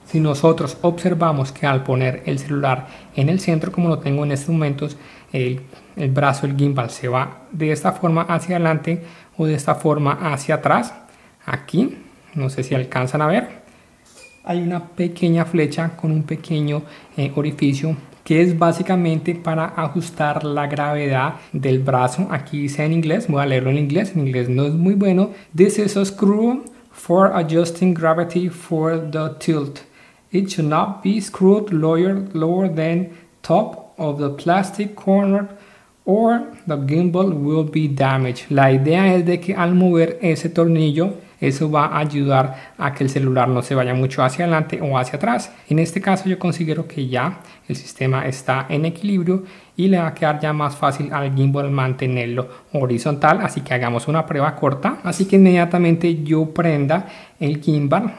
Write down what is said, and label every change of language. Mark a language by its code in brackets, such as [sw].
[es] Si nosotros observamos que al poner el celular en el centro, como lo tengo en estos momentos, el brazo, el gimbal se va de esta forma hacia adelante o de esta forma hacia atrás, aquí, no sé si alcanzan a ver. Hay una pequeña flecha con un pequeño orificio que es básicamente para ajustar la gravedad del brazo. Aquí dice en inglés, voy a leerlo en inglés. En inglés no es muy bueno. [en] This is a screw for adjusting gravity for the tilt. It should not be screwed lower than top of the plastic corner or the gimbal will be damaged. [es] La idea es de que al mover ese tornillo, eso va a ayudar a que el celular no se vaya mucho hacia adelante o hacia atrás. En este caso yo considero que ya el sistema está en equilibrio y le va a quedar ya más fácil al gimbal mantenerlo horizontal. Así que hagamos una prueba corta. Así que inmediatamente yo prenda el gimbal.